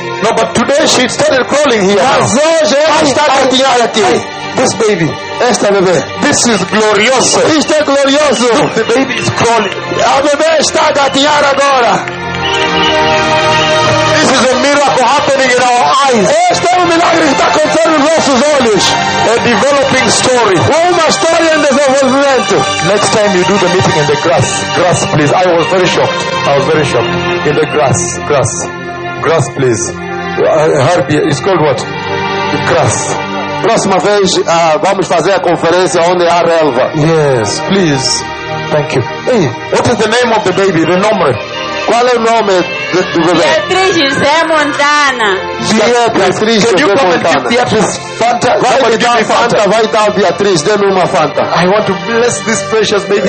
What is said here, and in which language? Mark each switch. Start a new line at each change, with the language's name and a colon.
English: No, but today she started crawling here.
Portuguese: Mas hoje ela está gatinhando aqui.
English: This baby.
Portuguese: Esta bebê.
English: This is glorioso.
Portuguese: Isto é glorioso.
English: Look, the baby is crawling.
Portuguese: A bebê está gatinhando agora.
English: This is a miracle happening in our eyes.
Portuguese: Este é um milagre que está acontecendo nos nossos olhos.
English: A developing story.
Portuguese: Uma história em desenvolvimento.
English: Next time you do the meeting in the grass, please. I was very shocked. In the grass, please. Harbi, it's called what? The grass.
Portuguese: Próxima vez vamos fazer a conferência onde há relva.
English: Yes, please. Thank you. Hey, what is the name of the baby? The nome.
Portuguese: Qual é o nome do bebê? Beatriz José Montana. Beatriz José Montana. Fanta. Vai dar Beatriz, dê-me uma Fanta.
English: I want to bless this precious baby.